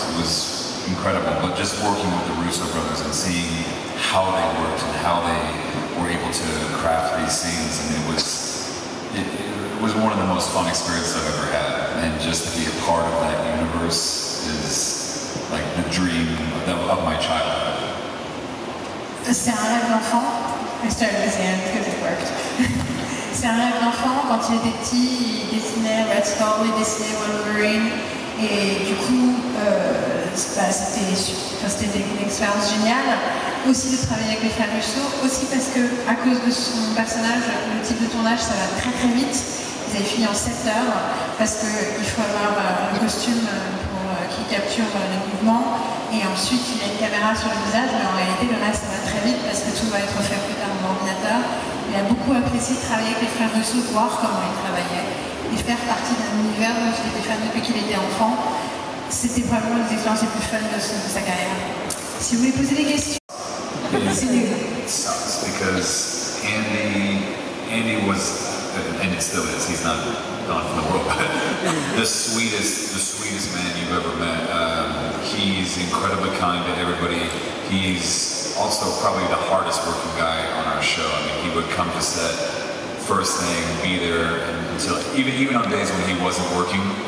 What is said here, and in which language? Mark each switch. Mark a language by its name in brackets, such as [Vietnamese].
[English] It was incredible. But just working with the Russo brothers and seeing how they worked and how they were able to craft these scenes, and it was one of the most fun experiences I've ever had. And just to be a part of that universe is like the dream of my childhood. The sound of an enfant? I started with the end because it worked. [French] C'est un rêve d'enfant, quand il était petit, il dessinait Red Skull, il dessinait Wolverine. Et du coup, c'était une expérience géniale. Aussi de travailler avec les frères Russo, aussi parce que, à cause de son personnage, le type de tournage, ça va très très vite. Ils avaient fini en 7 heures, parce qu'il faut avoir un costume qui capture les mouvements. Et ensuite, il y a une caméra sur le visage, mais en réalité, le reste, ça va très vite, parce que tout va être fait plus tard dans l'ordinateur. Il a beaucoup apprécié de travailler avec les frères Russo, voir comment ils travaillaient et faire partie d'un univers dont il était fan depuis qu'il était enfant. C'était probablement une des expériences les plus fun de sa carrière. Si vous voulez poser des questions, c'est nul. [English] Sucks because Andy was, and it still is. He's not gone from the world, but the sweetest man you've ever met. He's incredibly kind to everybody. He's also probably the hardest working guy on our show. I mean, he would come to set first thing, be there until, even on days when he wasn't working,